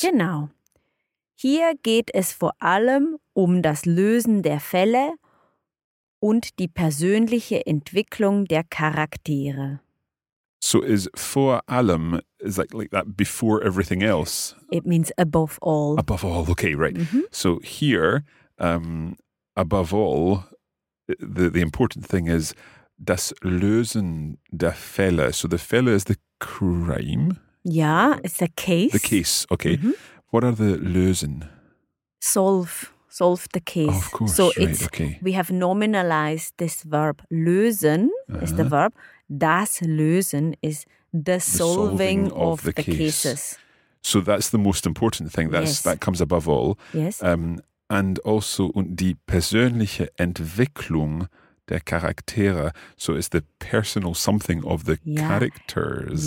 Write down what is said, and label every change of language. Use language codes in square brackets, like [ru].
[de] Genau. Hier geht es vor allem das Lösen der Fälle und die persönliche Entwicklung der Charaktere. [en] So is [de] vor allem, [en] is like that before everything else? It means above all. Above all, okay, right. Mm-hmm. So here, above all, the important thing is [de] das Lösen der Fälle. [en] So the Fälle is the crime. Yeah, it's a case. The case, okay. Mm-hmm. What are the Lösen? Solve the case. Oh, of course, so right, it's, okay. We have nominalized this verb. Lösen, uh-huh, is the verb. Das Lösen is the solving of the cases. So that's the most important thing. That's, yes. That comes above all. Yes. And also, [de] und die persönliche Entwicklung der Charaktere. [en] So it's the personal something of the, yeah, characters.